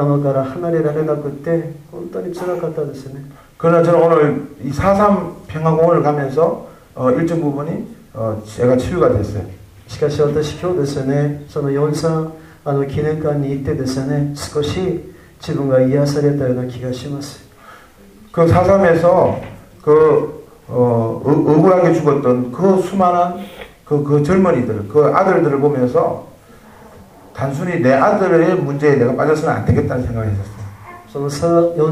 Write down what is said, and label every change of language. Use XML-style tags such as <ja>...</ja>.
<ja>それで私は今日この場に来る時もですね、ずっと息子のこと頭から離れられなくて本当に辛かったですね。</ja> <ko>그러나 저는 오늘 이 사삼 평화공원을 가면서 일정 부분이 제가 치유가 됐어요.</ko> <ja>しかし私今日ですね、その43記念館に行ってですね、少し自分が癒されたような気がします。</ja> <ko>그 사삼에서 그 억울하게 죽었던 그 수많은 그 젊은이들, 그 아들들을 보면서 단순히 내 아들의 문제에 내가 빠져서는 안 되겠다는 생각을 했었어요.</ko>